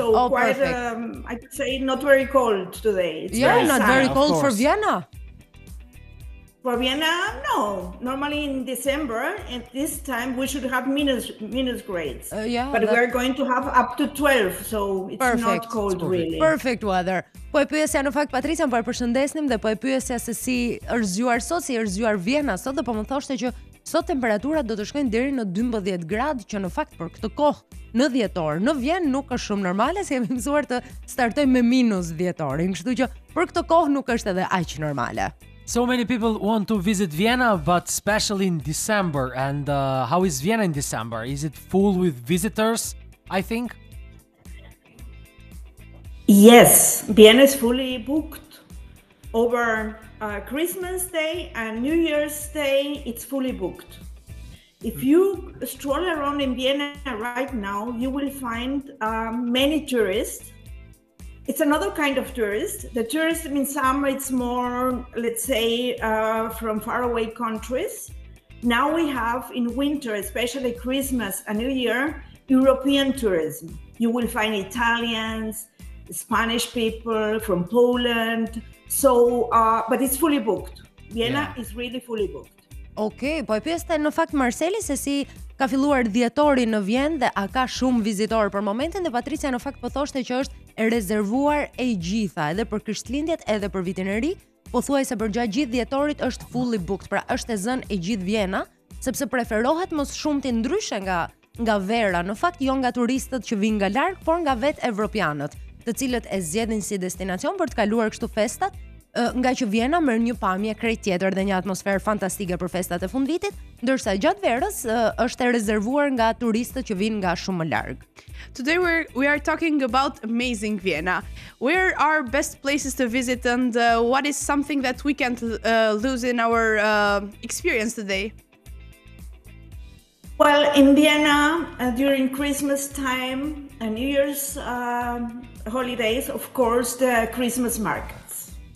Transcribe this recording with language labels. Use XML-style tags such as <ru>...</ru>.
<en>So I could say not very cold today. It's yeah, very not sunny. Very cold for Vienna. For Vienna, no. Normally in December, at this time, we should have minus grades. Yeah. But we're going to have up to 12, so it's perfect. Not cold, perfect. Really. Perfect weather.</en> <sq>Po e pyesja në fakt Patricia, po e përshëndesnim dhe po e pyesja se si është zgjuar sot, si është zgjuar Viena sot, dhe po më thoshte që sot temperaturat do të shkojnë deri në 12 gradë, që në fakt për këtë kohë në dhjetor, në Vienë nuk është shumë normale, si jemi mësuar të startojmë me minus dhjetorin, kështu që për këtë kohë nuk është edhe aq normale.</sq> <en>So many people want to visit Vienna, but especially in December, and how is Vienna in December? Is it full with visitors, I think? Yes, Vienna is fully booked over Christmas Day and New Year's Day. It's fully booked. If you stroll around in Vienna right now, you will find many tourists. It's another kind of tourist. The tourist in summer, it's more, let's say, from faraway countries. Now we have in winter, especially Christmas and New Year, European tourism. You will find Italians, Spanish people from Poland, but it's fully booked. Vienna is really fully booked.</en> <sq>Okay, po e pyeste në fakt Marseli se si ka filluar dhjetori në Vienë dhe a ka shumë vizitor për momentin, dhe Patricia në fakt po thoshte që është rezervuar e gjitha, edhe për krishtlindjet, edhe për vitin e ri, po thuaj se për gjithë dhjetorit është</sq> <en>fully booked,</en> <sq>pra është e zënë e gjithë Vienna, sepse preferohet mos shumë të ndryshe nga vera, në fakt jo nga turistët që vinë nga larg, por nga vetë evropianët, të cilët e zgjedhin si destinacion për të kaluar kështu festat, nga që Viena merr një pamje krejt tjetër dhe një atmosferë fantastike për festat e fundvitit, ndërsa gjatë verës është e rezervuar nga turistët që vinë nga shumë më larg.</sq> <en>Today we are talking about amazing Vienna. Where are best places to visit and what is something that we can't lose in our experience today? Well, in Vienna, during Christmas time and New Year's holidays, of course, the Christmas markets.</en>